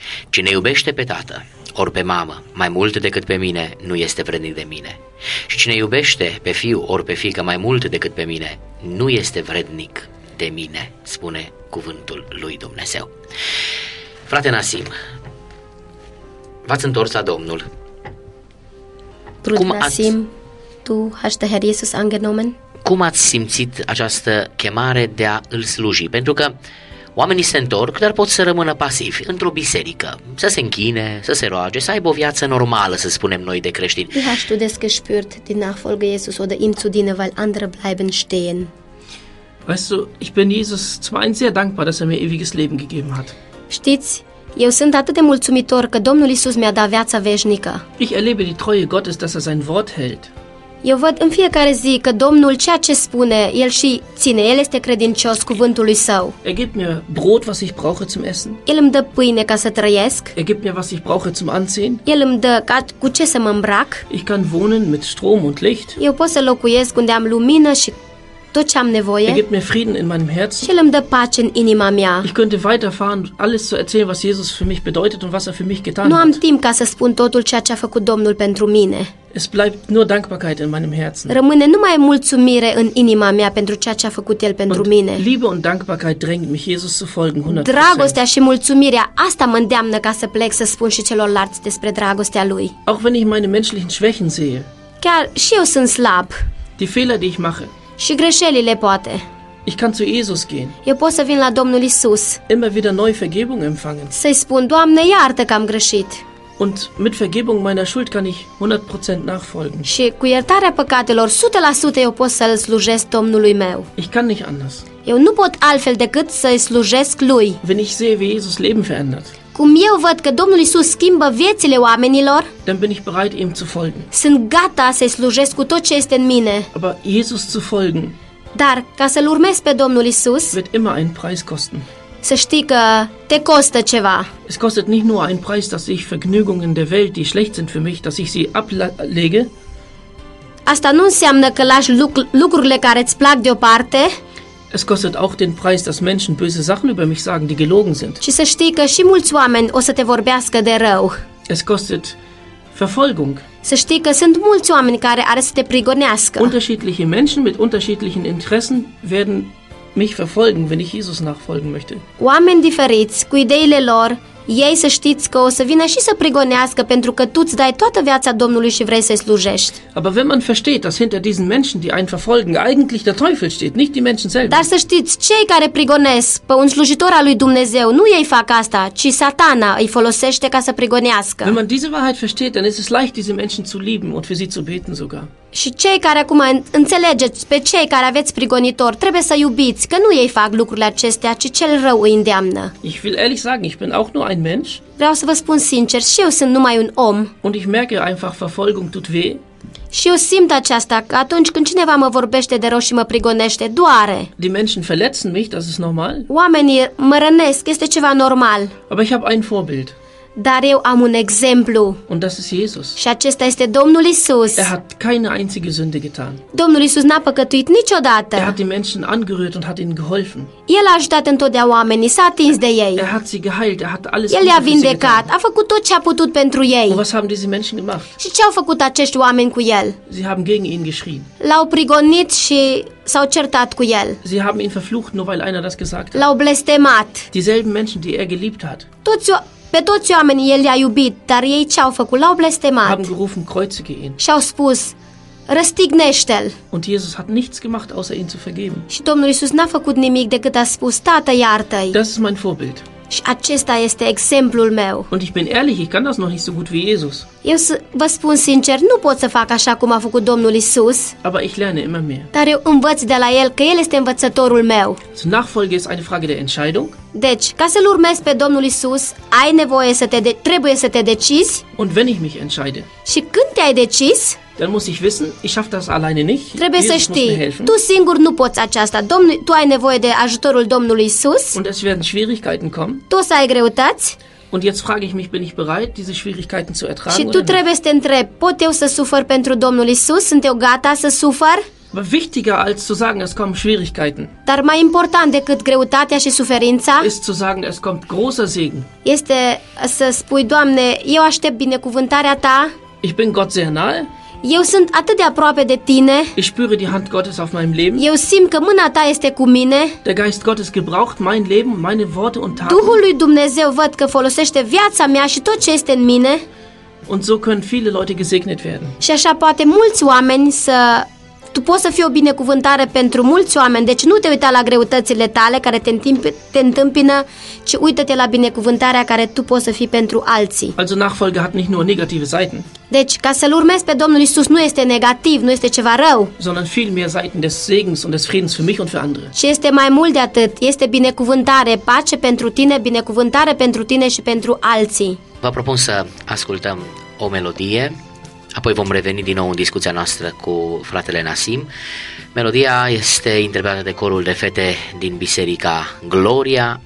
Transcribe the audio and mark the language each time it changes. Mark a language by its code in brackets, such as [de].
[ro] Cine iubește pe tată ori pe mamă mai mult decât pe mine, nu este vrednic de mine. Și cine iubește pe fiu ori pe fiică mai mult decât pe mine, nu este vrednic de mine, spune cuvântul lui Dumnezeu. Frate Nasim, v-ați întors la Domnul. Frate [de] Nasim, tu hast der Herr Jesus angenommen? [ro] Cum ați simțit această chemare de a îl sluji? Pentru că oamenii se întorc, dar pot să rămână pasivi într-o biserică, să se închine, să se roage, să aibă o viață normală, să spunem noi de creștini. [de] Wie hast du das gespürt, die Nachfolge Jesus oder ihm zu dienen, weil andere bleiben stehen? Weißt du, ich bin Jesus zum einen sehr dankbar, dass er mir ewiges Leben gegeben hat. [ro] Știți, eu sunt atât de mulțumitor că Domnul Iisus mi-a dat viața veșnică. [de] Ich erlebe die Treue Gottes, dass er sein Wort hält. [ro] Eu văd în fiecare zi că Domnul ceea ce spune, el și ține, el este credincios cuvântului său. [de] Er gibt mir Brot, was ich brauche zum Essen. [ro] El îmi dă pâine ca să trăiesc. [de] Er gibt mir, was ich brauche zum Anziehen. [ro] El îmi dă ca cu ce să mă îmbrac. [de] Ich kann wohnen mit Strom und Licht. [ro] Eu pot să locuiesc unde am lumină și tot ce am nevoie. [de] Er gibt mir Frieden in meinem Herzen. [ro] Și el îmi dă pace în inima mea. [de] Ich könnte weiterfahren, alles zu erzählen, was Jesus für mich bedeutet und was er für mich getan [ro] hat. Nu am timp ca să spun totul ceea ce a făcut Domnul pentru mine. [de] Es bleibt nur Dankbarkeit in meinem Herzen. [ro] Rămâne numai mulțumire în inima mea pentru ceea ce a făcut el pentru [de] und [ro] mine. [de] Liebe und Dankbarkeit drängt mich, Jesus zu folgen 100%. [ro] Dragostea și mulțumirea, asta mă îndeamnă ca să plec să spun și celorlalți despre dragostea lui. [de] Auch wenn ich meine menschlichen Schwächen sehe. [ro] Chiar și eu sunt slab. [de] Die Fehler, die ich mache. [ro] Și greșelile poate. [de] Ich kann zu Jesus gehen. [ro] Eu pot să vin la Domnul Iisus. [de] Immer wieder neue Vergebung empfangen. [ro] Să-i spun, Doamne, iartă că am greșit. [de] Und mit Vergebung meiner Schuld kann ich 100% nachfolgen. [ro] Și cu iertarea păcatelor 100% eu pot să-l slujesc Domnului meu. [de] Ich kann nicht anders. [ro] Eu nu pot altfel decât să-i slujesc lui. [de] Wenn ich sehe, wie Jesus Leben verändert. [ro] Cum eu văd că Domnul Iisus schimbă viețile oamenilor, [de] dann bin ich bereit, ihm zu folgen. [ro] Sunt gata să-i slujesc cu tot ce este în mine. [de] Aber Jesus zu folgen. [ro] Dar ca să-l urmez pe Domnul Iisus, [de] wird immer einen Preis kosten. [ro] să știi că te costă ceva. [de] Es kostet nicht nur einen Preis, dass ich Vergnügungen der Welt, die schlecht sind für mich, dass ich sie ablege. [ro] Asta nu înseamnă că lași lucrurile care îți plac deoparte. [de] Es kostet auch den Preis, dass Menschen böse Sachen über mich sagen, die gelogen sind. [ro] Și să știi că și mulți oameni o să te vorbească de rău. [de] Es kostet Verfolgung. [ro] Să știi că sunt mulți oameni care are să te prigonească. [de] Unterschiedliche Menschen mit unterschiedlichen Interessen werden mich verfolgen, wenn ich Jesus nachfolgen möchte. [ro] Oameni diferiți, cu ideile lor, ei să știți că o să vină și să prigonească pentru că tu îți dai toată viața Domnului și vrei să-i slujești. [de] Aber wenn man versteht, dass hinter diesen Menschen, die einen verfolgen, eigentlich der Teufel steht, nicht die Menschen selbst. [ro] Dar să știți, cei care prigonesc pe un slujitor al lui Dumnezeu, nu ei fac asta, ci Satana îi folosește ca să prigonească. [de] Wenn man diese Wahrheit versteht, dann ist es leicht, diese Menschen zu lieben und für sie zu beten sogar. [ro] Și cei care acum înțelegeți, pe cei care aveți prigonitori, trebuie să iubiți, că nu ei fac lucrurile acestea, ci cel rău îi îndeamnă. [de] Ich will ehrlich sagen, ich bin auch nur ein Mensch. [ro] Vreau să vă spun sincer, și eu sunt numai un om. [de] Und ich merke einfach, Verfolgung tut weh. [ro] Și eu simt aceasta că atunci când cineva mă vorbește de rău și mă prigonește, doare. [de] Die Menschen verletzen mich, das ist normal. [ro] Oamenii mă rănesc, este ceva normal. [de] Aber ich habe ein Vorbild. [ro] Dar eu am un exemplu. [de] Und das ist Jesus. [ro] Și acesta este Domnul Iisus. [de] Er hat keine einzige Sünde getan. [ro] Domnul Iisus n-a păcătuit niciodată. [de] Er hat die Menschen angerührt und hat ihnen geholfen. [ro] El a ajutat întotdeauna oamenii, s-a atins de ei. [de] Er hat sie geheilt, er hat alles. [ro] El i-a vindecat, a făcut tot ce a putut pentru ei. [de] Und was haben diese Menschen gemacht? [ro] Și ce au făcut acești oameni cu el? [de] Sie haben gegen ihn geschrien. [ro] L-au prigonit și s-au certat cu el. [de] Sie haben ihn verflucht, nur weil einer das gesagt hat. [ro] L-au blestemat. [de] Dieselben Menschen, die er geliebt hat. [ro] Pe toți oamenii el i-a iubit, dar ei ce au făcut? L-au blestemat. [de] Haben gerufen, kreuzige ihn. [ro] Și au spus, răstignește-l. [de] Und Jesus hat nichts gemacht, außer ihn zu vergeben. [ro] Și Domnul Iisus n-a făcut nimic decât a spus, Tată, iartă-i. [de] Das ist mein Vorbild. [ro] Și acesta este exemplul meu. [de] Und ich bin ehrlich, ich kann das noch nicht so gut wie Jesus. [ro] Eu vă spun sincer, nu pot să fac așa cum a făcut Domnul Iisus. [de] Aber ich lerne immer mehr. [ro] Dar eu învăț de la el că el este învățătorul meu. [de] So, Nachfolge ist eine Frage der Entscheidung. [ro] Deci, ca să-L urmezi pe Domnul Iisus, ai nevoie să te trebuie să te decizi. [de] Und wenn ich mich entscheide. [ro] Și când te-ai decis? [de] Dann muss ich wissen, ich schaffe das alleine nicht. [ro] Trebuie [de] Jesus [ro] să știi, tu singur nu poți aceasta. Domnul, tu ai nevoie de ajutorul Domnului Iisus. [de] Und es werden Schwierigkeiten kommen. [ro] Tu o să ai greutăți. [de] Und jetzt frage ich mich, bin ich bereit, diese Schwierigkeiten zu ertragen? [ro] Și tu trebuie să te întrebi, pot eu să sufăr pentru Domnul Iisus? Sunt eu gata să sufăr? [de] Aber wichtiger als zu sagen, es kommen Schwierigkeiten. [ro] Dar mai important decât greutatea și suferința. [de] Ist zu sagen, es kommt großer Segen. [ro] Este să spui, Doamne, eu aștept binecuvântarea ta. [de] Ich bin Gott sehr nahe. [ro] Eu sunt atât de aproape de tine. [de] Ich spüre die Hand Gottes auf meinem Leben. [ro] Eu simt că mâna ta este cu mine. [de] Der Geist Gottes gebraucht mein Leben, meine Worte und Taten. [ro] Duhul lui Dumnezeu văd că folosește viața mea și tot ce este în mine. [de] Und so können viele Leute gesegnet werden. [ro] Și așa poate mulți oameni să tu poți să fii o binecuvântare pentru mulți oameni. Deci nu te uita la greutățile tale care te întâmpină, ci uită-te la binecuvântarea care tu poți să fii pentru alții. [de] Also Nachfolge hat nicht nur negative Seiten. [ro] Deci ca să-L urmezi pe Domnul Iisus nu este negativ, nu este ceva rău, [de] sondern viel mehr Seiten des Segens und des Friedens für mich und für andere. [ro] Ci este mai mult de atât, este binecuvântare, pace pentru tine, binecuvântare pentru tine și pentru alții. Vă propun să ascultăm o melodie. Apoi vom reveni din nou în discuția noastră cu fratele Nasim. Melodia este interpretată de corul de fete din biserica Gloria.